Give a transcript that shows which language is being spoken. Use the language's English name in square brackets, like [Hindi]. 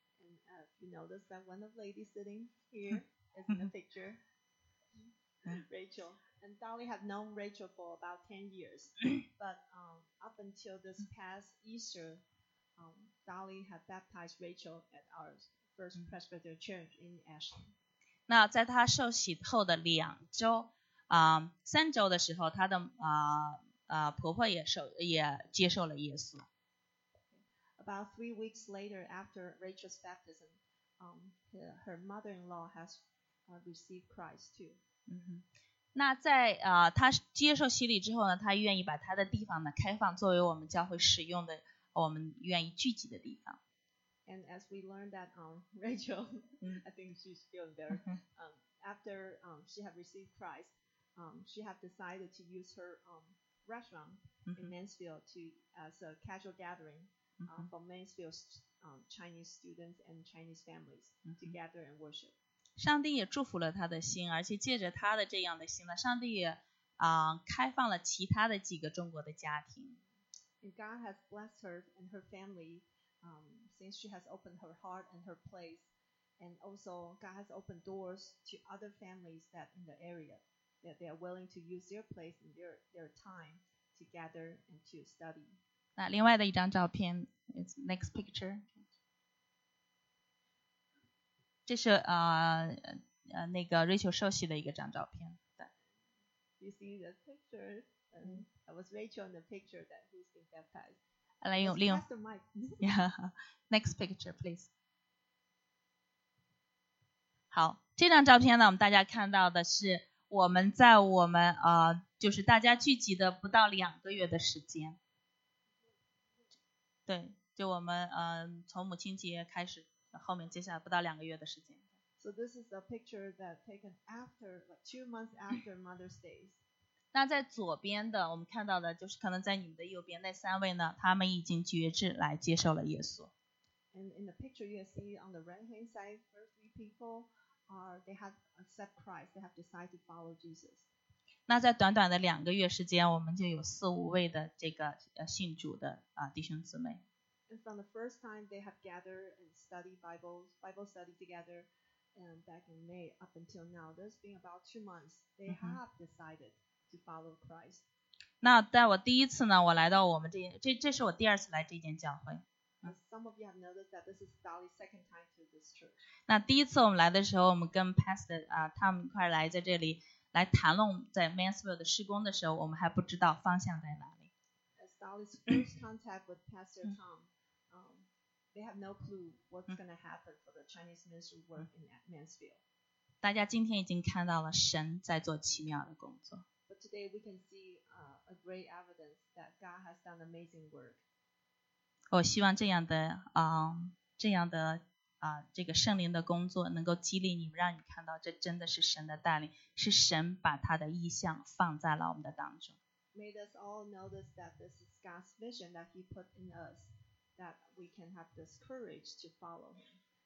[English] And, you notice that one of the ladies sitting here is in the picture, Rachel. And Dolly had known Rachel for about 10 years. But up until this past Easter, Dolly had baptized Rachel at our first Presbyterian church in Ashland. [Chinese] 那在他受洗后的两周，三周的时候，他的婆婆也接受了耶稣。 [English] About 3 weeks later, after Rachel's baptism, her mother-in-law has received Christ too. [Chinese] 那在她接受洗礼之后呢，她愿意把她的地方呢开放作为我们教会使用的，我们愿意聚集的地方。 [English] And as we learned that Rachel, I think she's feeling better. After she had received Christ, she had decided to use her restaurant in Mansfield to as a casual gathering. For Mansfield's Chinese students and Chinese families to gather and worship. [Chinese] 上帝也祝福了他的心，而且借着他的这样的心呢，上帝也开放了其他的几个中国的家庭。 [English] And God has blessed her and her family since she has opened her heart and her place, and also God has opened doors to other families that in the area that they are willing to use their place and their time to gather and to study. [Chinese] 那另外的一张照片 ， [English] it's next picture。 [Chinese] 这是那个 Rachel 受洗的一个张照片。 [English] You see the picture? That was Rachel in the picture that he's been baptized. [Chinese] 来用另外。Yeah, [English] next picture, please. [Chinese] 好，这张照片呢，我们大家看到的是我们在我们就是大家聚集的不到两个月的时间。对，就我们从母亲节开始，后面接下来不到两个月的时间。 [English] So this is a picture that taken after like 2 months after Mother's Day. [Chinese] 那在左边的我们看到的就是可能在你们的右边那三位呢，他们已经决志来接受了耶稣。 [English] And in the picture you see on the right hand side, first three people are they have accepted Christ, they have decided to follow Jesus. [Chinese] 那在短短的两个月时间，我们就有四五位的这个信主的弟兄姊妹。 [English] And from the first time they have gathered and studied Bible study together, and back in May up until now, there's been about 2 months they have decided to follow Christ. [Chinese] 那在我第一次呢，我来到我们这是我第二次来这间教会。 [English] Some of you have noticed that this is Dolly's second time to this church. [Chinese] 那第一次我们来的时候，我们跟 Pastor 啊，他们一块来在这里来谈论在 Mansfield 的施工的时候，我们还不知道方向在哪里。 [English] As Dolly's first contact with Pastor Tom, they have no clue what's going to happen for the Chinese ministry work in Mansfield. [Chinese] 大家今天已经看到了神在做奇妙的工作。 [English] But today we can see a great evidence that God has done amazing work. [Chinese] 我希望这样的这个圣灵的工作能够激励你们，让你看到这真的是神的带领，是神把他的意象放在了我们的当中。 [English] May us all notice that this is God's vision that He put in us. That we can have this courage to follow him.